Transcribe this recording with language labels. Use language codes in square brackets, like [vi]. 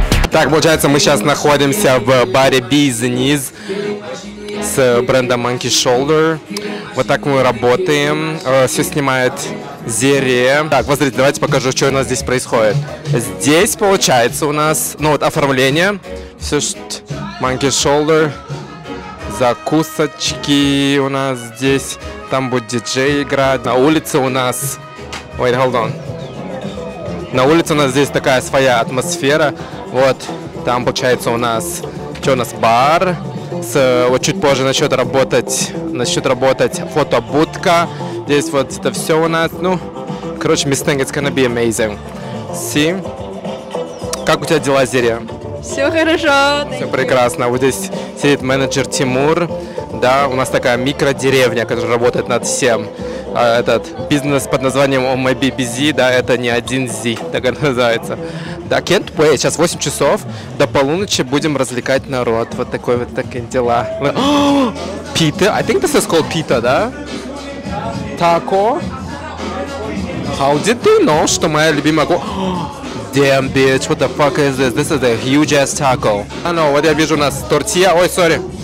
[ru] Так, получается, мы сейчас находимся в баре «Бизнес» с брендом Monkey Shoulder. Вот так мы работаем. Все снимает Зере. Так, посмотрите, давайте покажу, что у нас здесь происходит. Здесь получается у нас, ну вот, оформление. Все, Monkey Shoulder. Закусочки у нас здесь. Там будет диджей играть. На улице у нас... [en] Wait, hold on. [ru] На улице у нас здесь такая своя атмосфера. Вот, там получается у нас, что у нас, бар. Вот чуть позже начнет работать фотобудка. Здесь вот это все у нас, ну, короче, [en] miss thing, it's gonna be amazing. See? [ru] Как у тебя дела, Зири? Все хорошо. Все прекрасно. Вот здесь сидит менеджер Тимур, да, у нас такая микродеревня, которая работает над всем. Этот бизнес под названием Oh My Baby Z, да, это не один Z, так это называется. Да, [en] can't wait, [ru] сейчас 8 часов, до полуночи будем развлекать народ, вот такой вот такие дела. [en] Pita, I think this is called pita, [ru] да? [en] Taco? How did they know, [ru] что моя любимая... [en] Damn, bitch, what the fuck is this? This is a huge ass taco. I know, [ru] вот я вижу у нас тортилья, ой, sorry.